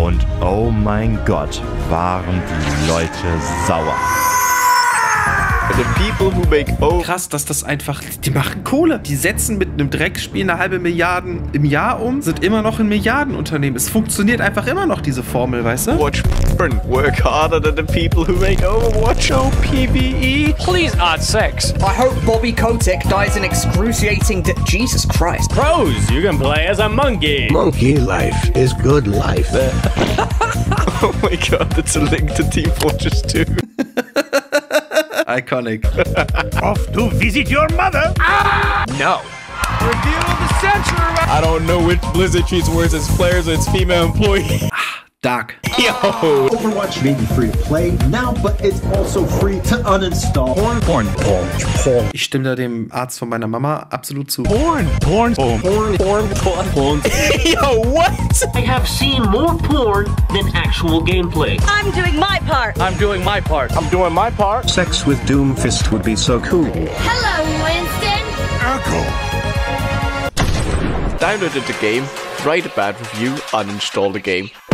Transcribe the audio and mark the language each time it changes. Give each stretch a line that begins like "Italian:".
German: Und oh mein Gott, waren die Leute sauer.
English: The people who make Overwatch.
German: Krass, dass das einfach, die machen Kohle. Die setzen mit einem Dreckspiel 500 Millionen im Jahr um, sind immer noch ein Milliardenunternehmen. Es funktioniert einfach immer noch, diese Formel, weißt du?
English: Watch and work harder than the people who make Overwatch. Oh, PvE. Please add sex. I hope Bobby Kotick dies in excruciating Jesus Christ. Pros, you can play as a monkey. Monkey life is good life. Oh my god, that's a link to Team Fortress 2. Iconic. Off to visit your mother. Ah! No. Review of the century. I don't know which Blizzard treats worse, its players or its female employees. Doc. Yo. Overwatch may be free to play now, but it's also free to uninstall. Porn.
German: Ich stimme da dem Arzt von meiner Mama absolut zu.
English: Porn. Yo, what? I have seen more porn than actual gameplay. I'm doing my part. Sex with Doomfist would be so cool. Hello, Winston. Echo. downloaded the game, write a bad review, uninstall the game.